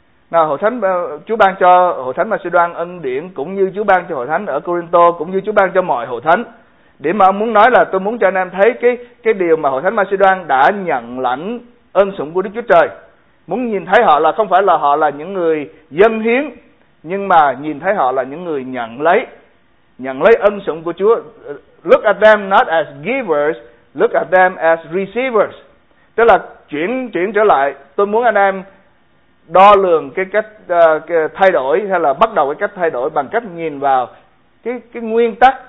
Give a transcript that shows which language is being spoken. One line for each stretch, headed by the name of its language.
Vietnamese: Nào, Chúa ban cho hội thánh Macedon ân điển cũng như Chúa ban cho hội thánh ở Corinto, cũng như Chúa ban cho mọi hội thánh. Điểm mà ông muốn nói là tôi muốn cho anh em thấy cái điều mà hội thánh Macedon đã nhận lãnh ân sủng của Đức Chúa Trời. Muốn nhìn thấy họ là không phải là họ là những người dâng hiến, nhưng mà nhìn thấy họ là những người nhận lấy ân sủng của Chúa.
English: Look at them not as givers, look at them as receivers.
Vietnamese: Tức là chuyển trở lại, tôi muốn anh em đo lường cái cách thay đổi, hay là bắt đầu cái cách thay đổi bằng cách nhìn vào cái nguyên tắc